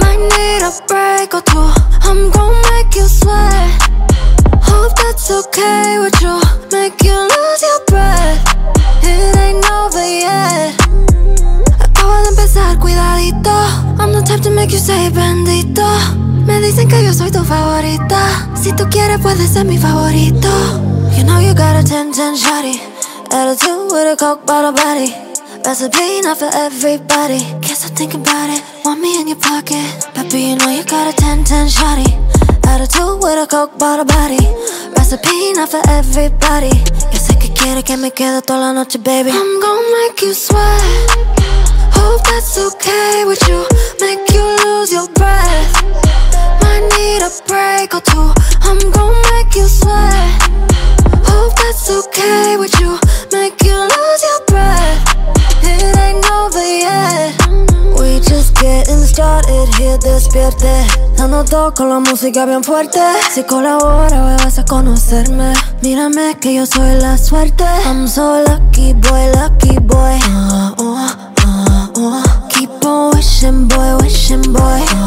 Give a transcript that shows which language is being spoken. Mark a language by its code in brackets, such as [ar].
[en] Might need a break or two. I'm gonna make you sweat. Hope that's okay with you. Make you lose your breath. It ain't over yet. [es] Acabo de empezar, cuidadito. [en] I'm the type to make you say bendito. [es] Me dicen que yo soy tu favorita. Si tú quieres puedes ser mi favorito. [en] You know you got a 10-10 shawty. Attitude with a coke bottle body. Recipe not for everybody. Can't stop thinking about it. Want me in your pocket. Papi, you know you got a 10-10 shawty. Attitude with a coke bottle body. Recipe not for everybody. [es] Yo sé que quieres que me quede toda la noche, baby. [en] I'm gonna make you sweat. Hope that's okay with you. Make you lose your breath. Might need a break or two. I'm gonna make you sweat. Hope that's okay with you. Make you lose your breath. It ain't over yet. We just getting started here, [es] despierte. Dándote con la música bien fuerte. Si colabora, hoy vas a conocerme. Mírame que yo soy la suerte. [en] I'm so lucky boy, lucky boy. Keep on wishing boy, wishing boy.